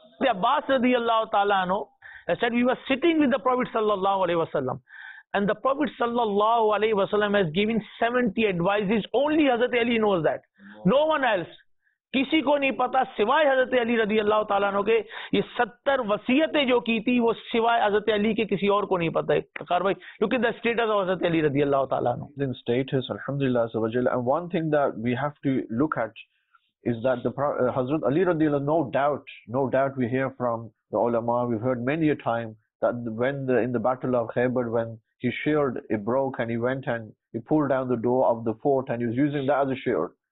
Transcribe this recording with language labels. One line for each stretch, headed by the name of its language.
English: عباس رضی اللہ تعالیٰ عنہ said we were sitting with the Prophet sallallahu alaihi wasallam, and the Prophet sallallahu alaihi wasallam has given 70 advices, only Hazrat Ali knows that, no one else,
Urdu: kisi ko nahi pata siwai Hazrat Ali رضی اللہ تعالیٰ عنہ کے. یہ 70 وصیتیں جو کی تھی وہ سوائے حضرت علی کے کسی اور کو نہیں پتا ہے. خیر بھائی,
English: look at the status of Hazrat Ali رضی اللہ تعالیٰ عنہ. In status, alhamdulillah, azawajal. And one thing that we have to look at is that the Hazrat Ali رضی اللہ عنہ, no doubt we hear from the ulama, we've heard many a time that when in the battle of Khaybar, when his shield, it broke and he went and he pulled down the door of the fort and he was using that as a shield.